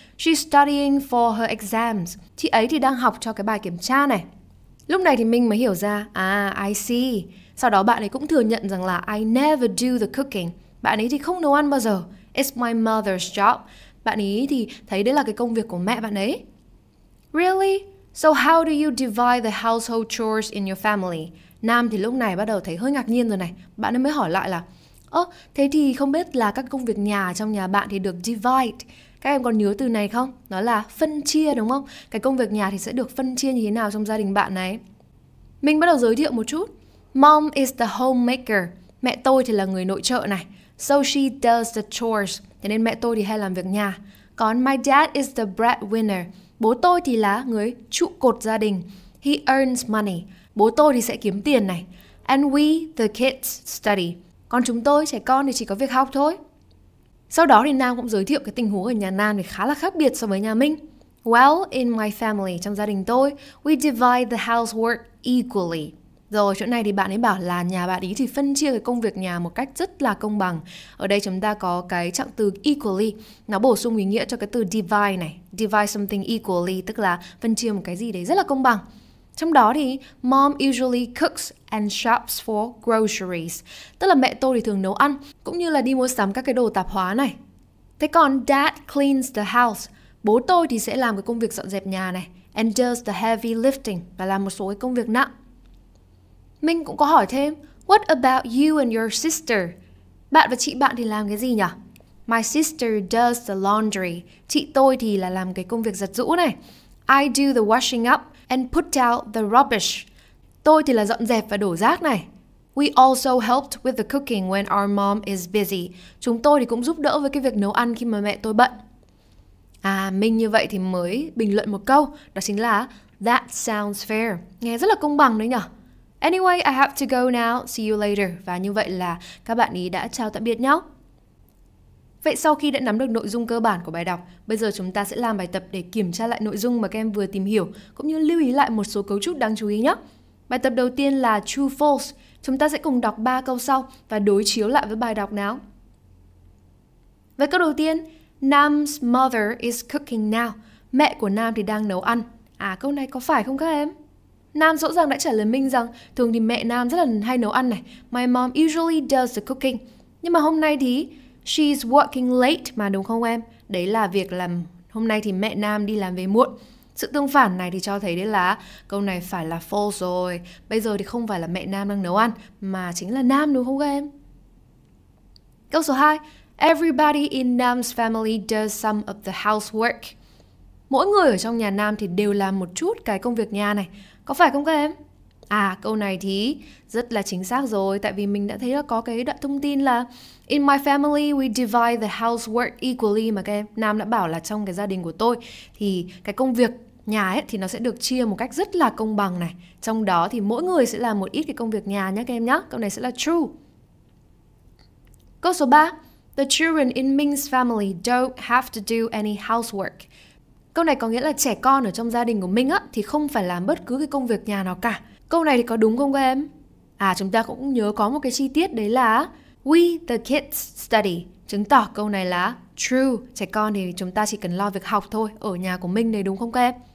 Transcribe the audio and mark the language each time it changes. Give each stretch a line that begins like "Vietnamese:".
English: She's studying for her exams.
Vietnamese: Chị ấy thì đang học cho cái bài kiểm tra này. Lúc này thì mình mới hiểu ra, I see. Sau đó bạn ấy cũng thừa nhận rằng là
English: I never do the cooking.
Vietnamese: Bạn ấy thì không nấu ăn bao giờ.
English: It's my mother's job.
Vietnamese: Bạn ấy thì thấy đấy là cái công việc của mẹ bạn ấy.
English: Really? So how do you divide the household chores in your family?
Vietnamese: Nam thì lúc này bắt đầu thấy hơi ngạc nhiên rồi này. Bạn ấy mới hỏi lại là thế thì không biết là các công việc nhà trong nhà bạn thì được divide. Các em còn nhớ từ này không? Nó là phân chia đúng không? Cái công việc nhà thì sẽ được phân chia như thế nào trong gia đình bạn này? Mình bắt đầu giới thiệu một chút.
English: Mom is the homemaker.
Vietnamese: Mẹ tôi thì là người nội trợ này.
English: So she does the chores.
Vietnamese: Thế nên mẹ tôi thì hay làm việc nhà. Còn
English: my dad is the breadwinner.
Vietnamese: Bố tôi thì là người trụ cột gia đình.
English: He earns money.
Vietnamese: Bố tôi thì sẽ kiếm tiền này.
English: And we, the kids, study.
Vietnamese: Còn chúng tôi, trẻ con thì chỉ có việc học thôi. Sau đó thì Nam cũng giới thiệu cái tình huống ở nhà Nam thì khá là khác biệt so với nhà mình.
English: Well, in my family,
Vietnamese: trong gia đình tôi,
English: we divide the housework equally.
Vietnamese: Rồi, chỗ này thì bạn ấy bảo là nhà bạn ấy thì phân chia cái công việc nhà một cách rất là công bằng. Ở đây chúng ta có cái trạng từ equally. Nó bổ sung ý nghĩa cho cái từ divide này. Divide something equally, tức là phân chia một cái gì đấy rất là công bằng. Trong đó thì
English: mom usually cooks and shops for groceries.
Vietnamese: Tức là mẹ tôi thì thường nấu ăn, cũng như là đi mua sắm các cái đồ tạp hóa này. Thế còn
English: dad cleans the house.
Vietnamese: Bố tôi thì sẽ làm cái công việc dọn dẹp nhà này.
English: And does the heavy lifting,
Vietnamese: và làm một số cái công việc nặng. Mình cũng có hỏi thêm,
English: what about you and your sister?
Vietnamese: Bạn và chị bạn thì làm cái gì nhỉ?
English: My sister does the laundry.
Vietnamese: Chị tôi thì là làm cái công việc giặt giũ này.
English: I do the washing up and put out the rubbish.
Vietnamese: Tôi thì là dọn dẹp và đổ rác này.
English: We also helped with the cooking when our mom is busy.
Vietnamese: Chúng tôi thì cũng giúp đỡ với cái việc nấu ăn khi mà mẹ tôi bận. À, mình như vậy thì mới bình luận một câu. Đó chính là,
English: that sounds fair.
Vietnamese: Nghe rất là công bằng đấy nhỉ?
English: Anyway, I have to go now. See you later.
Vietnamese: Và như vậy là các bạn ý đã chào tạm biệt nhau. Vậy sau khi đã nắm được nội dung cơ bản của bài đọc, bây giờ chúng ta sẽ làm bài tập để kiểm tra lại nội dung mà các em vừa tìm hiểu, cũng như lưu ý lại một số cấu trúc đáng chú ý nhé. Bài tập đầu tiên là True False. Chúng ta sẽ cùng đọc 3 câu sau và đối chiếu lại với bài đọc nào. Với câu đầu tiên,
English: Nam's mother is cooking now.
Vietnamese: Mẹ của Nam thì đang nấu ăn. À, câu này có phải không các em? Nam rõ ràng đã trả lời mình rằng thường thì mẹ Nam rất là hay nấu ăn này.
English: My mom usually does the cooking.
Vietnamese: Nhưng mà hôm nay thì
English: she's working late
Vietnamese: mà đúng không em? Đấy là việc làm hôm nay thì mẹ Nam đi làm về muộn. Sự tương phản này thì cho thấy đấy là câu này phải là false rồi. Bây giờ thì không phải là mẹ Nam đang nấu ăn mà chính là Nam đúng không em? Câu số 2.
English: Everybody in Nam's family does some of the housework.
Vietnamese: Mỗi người ở trong nhà Nam thì đều làm một chút cái công việc nhà này. Có phải không các em? À, câu này thì rất là chính xác rồi. Tại vì mình đã thấy là có cái đoạn thông tin là
English: in my family we divide the housework equally.
Vietnamese: Mà các em, Nam đã bảo là trong cái gia đình của tôi thì cái công việc nhà ấy thì nó sẽ được chia một cách rất là công bằng này. Trong đó thì mỗi người sẽ làm một ít cái công việc nhà nhé các em nhé. Câu này sẽ là true. Câu số 3.
English: The children in Ming's family don't have to do any housework.
Vietnamese: Câu này có nghĩa là trẻ con ở trong gia đình của Minh á thì không phải làm bất cứ cái công việc nhà nào cả. Câu này thì có đúng không các em? À, chúng ta cũng nhớ có một cái chi tiết đấy là
English: we the kids study,
Vietnamese: chứng tỏ câu này là true. Trẻ con thì chúng ta chỉ cần lo việc học thôi ở nhà của Minh đấy đúng không các em?